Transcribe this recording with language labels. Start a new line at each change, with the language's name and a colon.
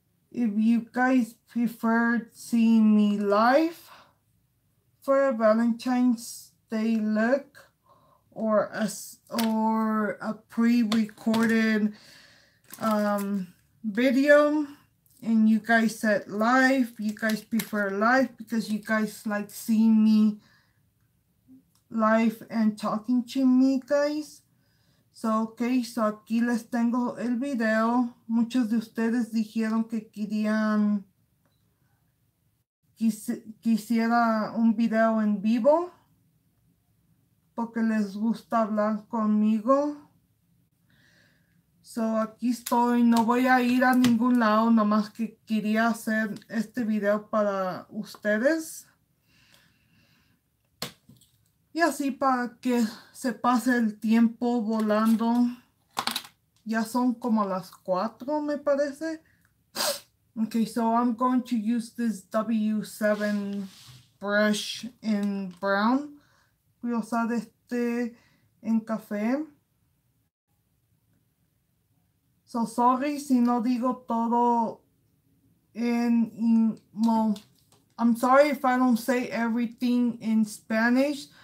English: If you guys preferred seeing me live for a Valentine's Day look or a pre-recorded video, and you guys said live, you guys prefer live because you guys like seeing me live and talking to me guys.
Spanish: So okay, so aquí les tengo el video. Muchos de ustedes dijeron que querían quisiera un video en vivo porque les gusta hablar conmigo. So aquí estoy, no voy a ir a ningún lado, nomás que quería hacer este video para ustedes. Y así para que se pase el tiempo volando. Ya son como las 4, me parece.
English: Okay, so I'm going to use this W7 brush in brown.
Spanish: Voy a usar este en café.
English: So sorry
Spanish: si no digo todo
English: well, I'm sorry if I don't say everything in Spanish.